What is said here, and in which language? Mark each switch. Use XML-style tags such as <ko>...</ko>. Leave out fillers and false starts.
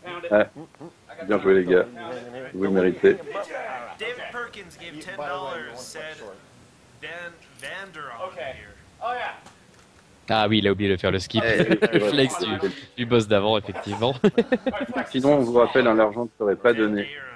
<fr>Ah, bien joué les gars, vous le méritez.</fr> <en>David Perkins gave $10, said Van Vanderon here.</en> <fr>Ah oui, il a oublié de faire le skip. Le flex du boss d'avant, effectivement. Sinon, on vous rappelle, l'argent ne serait pas donné.</fr>